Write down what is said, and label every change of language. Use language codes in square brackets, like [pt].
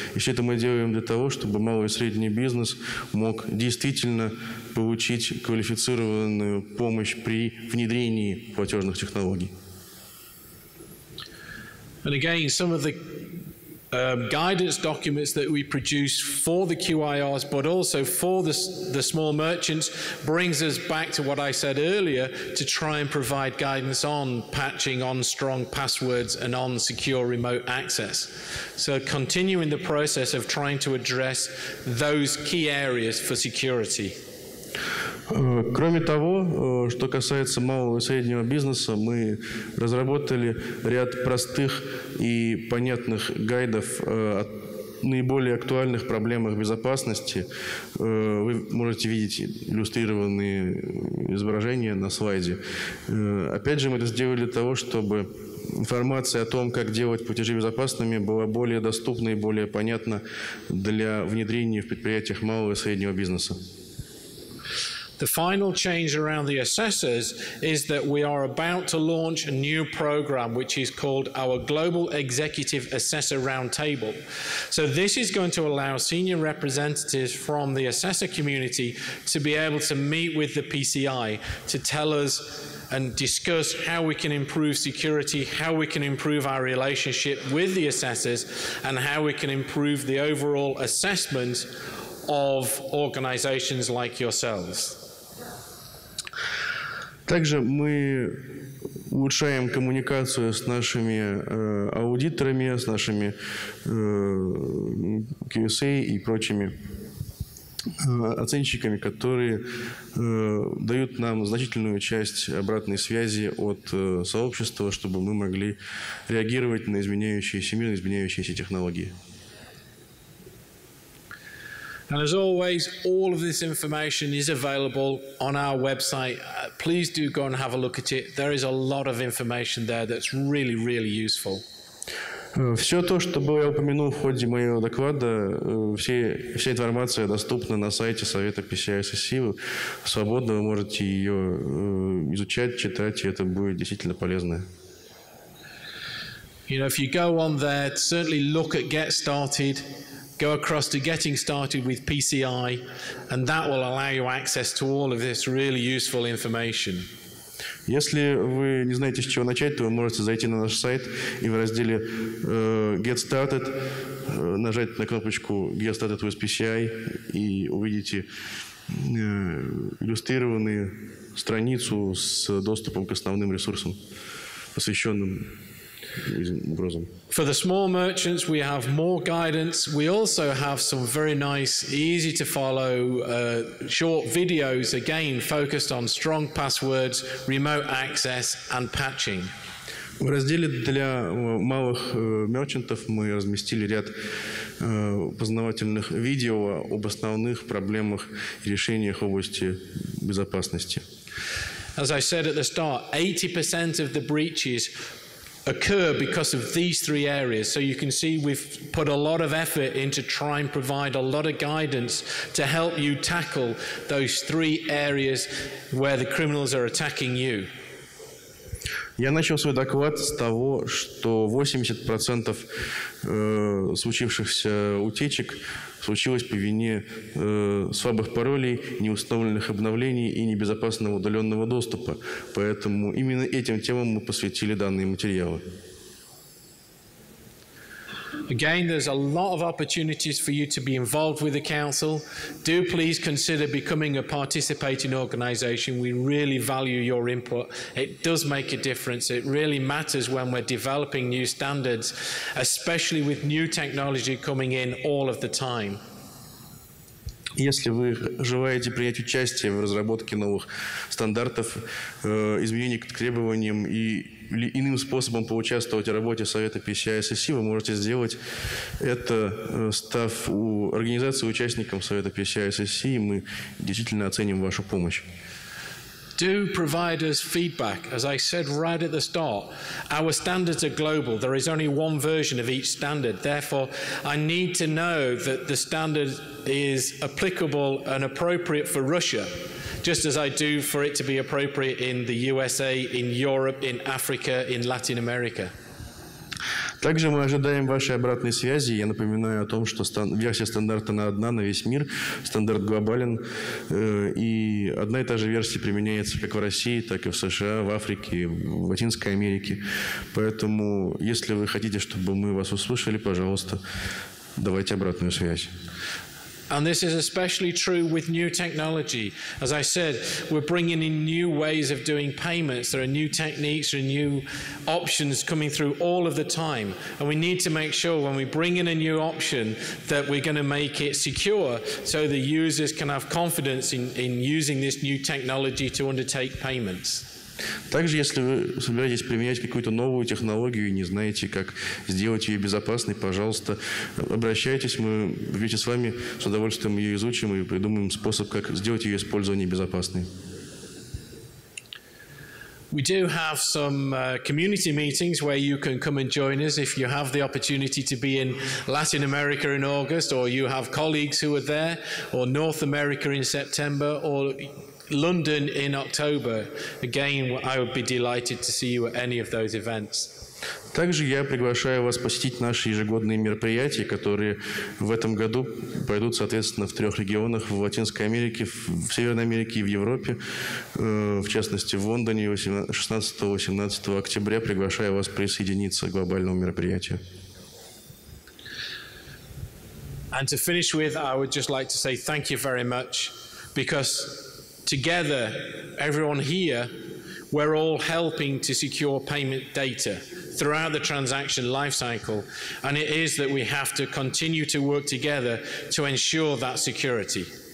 [ru] И все это мы делаем для того, чтобы малый и средний бизнес мог действительно получить квалифицированную помощь при внедрении платежных технологий. [en] And again, some of the guidance documents that we produce for the QIRs, but also for the small merchants, brings us back to what I said earlier, to try and provide guidance on patching, on strong passwords, and on secure remote access. So continuing the process of trying to address those key areas for security. [ru] Кроме того, что касается малого и среднего бизнеса, мы разработали ряд простых и понятных гайдов о наиболее актуальных проблемах безопасности. Вы можете видеть иллюстрированные изображения на слайде. Опять же, мы это сделали для того, чтобы информация о том, как делать платежи безопасными, была более доступна и более понятна для внедрения в предприятиях малого и среднего бизнеса. [en] The final change around the assessors is that we are about to launch a new program which is called our Global Executive Assessor Roundtable. So this is going to allow senior representatives from the assessor community to be able to meet with the PCI to tell us and discuss how we can improve security, how we can improve our relationship with the assessors, and how we can improve the overall assessment of organizations like yourselves. [ru] Также мы улучшаем коммуникацию с нашими аудиторами, с нашими QSA и прочими оценщиками, которые дают нам значительную часть обратной связи от сообщества, чтобы мы могли реагировать на изменяющиеся мир, на изменяющиеся технологии. [en] And as always, all of this information is available on our website. Please do go and have a look at it. There is a lot of information there that's really, really useful. [ru] Все то, что я упомянул в ходе моего доклада, вся информация доступна на сайте Совета PCI SSC. Свободно вы можете ее изучать, читать, и это будет действительно полезно. [en] You know, if you go on there, certainly look at Get Started. go across to getting started with PCI, and that will allow you access to all of this really useful information. [ru] Если вы не знаете, с чего начать, то вы можете зайти на наш сайт и в разделе Get Started нажать на кнопочку Get Started with PCI и увидите иллюстрированную страницу с доступом к основным ресурсам, посвященным угрозам. [en] For the small merchants, we have more guidance. We also have some very nice, easy to follow short videos, again, focused on strong passwords, remote access, and patching. [ru] В разделе для малых мерчантов мы разместили ряд познавательных видео об основных проблемах и решениях в области безопасности. [en] As I said at the start, 80% of the breaches occur because of these three areas. So you can see we've put a lot of effort into trying to provide a lot of guidance to help you tackle those three areas where the criminals are attacking you. [ru] Я начал свой доклад с того, что 80% случившихся утечек случилось по вине слабых паролей, неустановленных обновлений и небезопасного удаленного доступа. Поэтому именно этим темам мы посвятили данные материалы. [en] Again, there's a lot of opportunities for you to be involved with the council. Do please consider becoming a participating organization. We really value your input. It does make a difference. It really matters when we're developing new standards, especially with new technology coming in all of the time. [ru] Если вы желаете принять участие в разработке новых стандартов, изменений к требованиям и или иным способом поучаствовать в работе Совета PCI SSC, вы можете сделать это, став у организации участником Совета PCI SSC, и мы действительно оценим вашу помощь. [en] Do provide us feedback. As I said right at the start, our standards are global. There is only one version of each standard. Therefore, I need to know that the standard is applicable and appropriate for Russia, just as I do for it to be appropriate in the USA, in Europe, in Africa, in Latin America. [ru] Также мы ожидаем вашей обратной связи. Я напоминаю о том, что версия стандарта одна на весь мир, стандарт глобален, и одна и та же версия применяется как в России, так и в США, в Африке, в Латинской Америке. Поэтому, если вы хотите, чтобы мы вас услышали, пожалуйста, давайте обратную связь. [en] And this is especially true with new technology. As I said, we're bringing in new ways of doing payments. There are new techniques and new options coming through all of the time. And we need to make sure when we bring in a new option that we're going to make it secure so the users can have confidence in using this new technology to undertake payments. [ru] Также, если вы собираетесь применять какую-то новую технологию и не знаете, как сделать ее безопасной, пожалуйста, обращайтесь, мы вместе с вами с удовольствием ее изучим и придумаем способ, как сделать ее использование безопасной. [en] We do have some community meetings where you can come and join us if you have the opportunity to be in Latin America in August, or you have colleagues who are there, or North America in September, or London in October. Again, I would be delighted to see you at any of those events. [ru] Также я приглашаю вас посетить наши ежегодные мероприятия, которые в этом году пройдут, соответственно, в трех регионах: в Латинской Америке, в Северной Америке и в Европе, в частности, в Лондоне 16-18 октября. Приглашаю вас присоединиться к глобальному мероприятию. [en] And to finish with, I would just like to say thank you very much, because together, everyone here, we're all helping to secure payment data throughout the transaction lifecycle, and it is that we have to continue to work together to ensure that security.